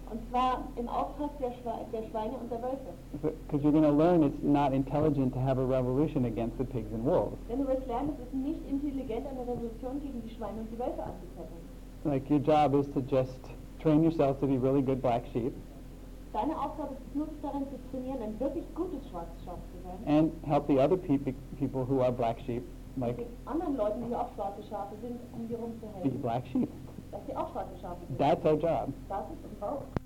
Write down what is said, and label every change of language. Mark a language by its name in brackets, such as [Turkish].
[German] Und zwar im Auftrag der Schweine und der Wölfe. [English] Because you're going to learn it's not intelligent to have a revolution against the pigs and wolves. [German] Denn du wirst lernen, es ist nicht intelligent, eine Revolution gegen die Schweine und die Wölfe anzuzetteln. [English] Like, your job is to just train yourself to be really good black sheep. [German] Deine Aufgabe ist nur darin zu trainieren, ein wirklich gutes schwarzes Schaf zu werden. [English] And help the other people who are black sheep, like, [German] anderen Leuten, die auch schwarze Schafe sind, um dir rumzuhelfen. [English] Be black sheep. [German] Dass sie auch schwarze Schafe sind. [English] That's our job. [German] Das ist unser Job.